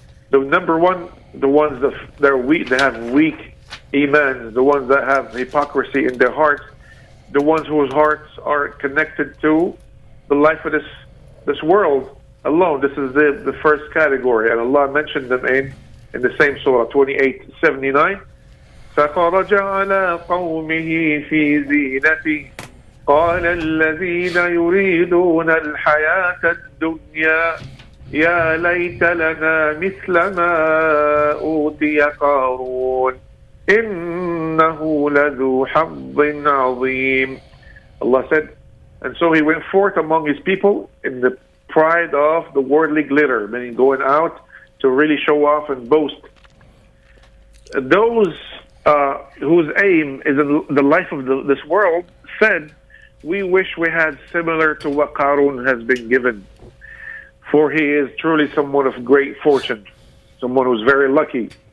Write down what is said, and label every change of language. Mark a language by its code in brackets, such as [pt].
[en] The number one, the ones that have weak iman, the ones that have hypocrisy in their hearts, the ones whose hearts are connected to the life of this world alone. This is the first category, and Allah mentioned them in the same surah, 28:79. [ar] فخرج على قومه في زينته قال الذين يريدون الحياة الدنيا يا ليت لنا مثل ما أوتي قارون إنه لذو حظ عظيم. [en] Allah said, and so he went forth among his people in the pride of the worldly glitter, meaning going out to really show off and boast. Those whose aim is in the life of this world said, we wish we had similar to what Qarun has been given, for he is truly someone of great fortune, someone who's very lucky.